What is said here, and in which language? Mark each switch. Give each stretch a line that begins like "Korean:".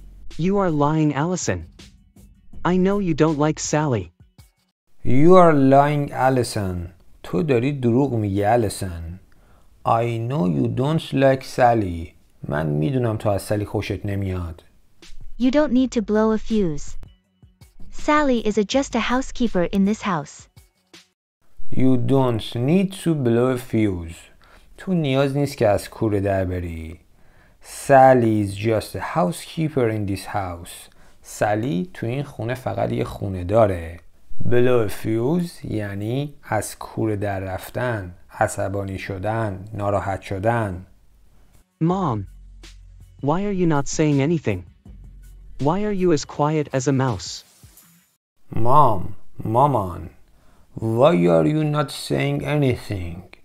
English: You are lying, Allison. I know you don't like Sally. You are lying, Allison.
Persian: تو داری دروغ میگی, Allison.
English: I know you don't like Sally.
Persian: من میدونم تو از Sally خوشت نمیاد.
English: You don't need to blow a fuse. Sally is just a housekeeper in this house. You don't need to blow a fuse.
Persian: تو نیاز نیست که از کوره در بری.
English: Sally is just a housekeeper in this house.
Persian: Sally تو این خونه فقط یه خونه داره. Blow a fuse یعنی از کوره در رفتن، عصبانی شدن، ناراحت شدن.
English: Mom, why are you not saying anything? Why are you as quiet as a mouse? Mom, مامان، why are you not saying anything?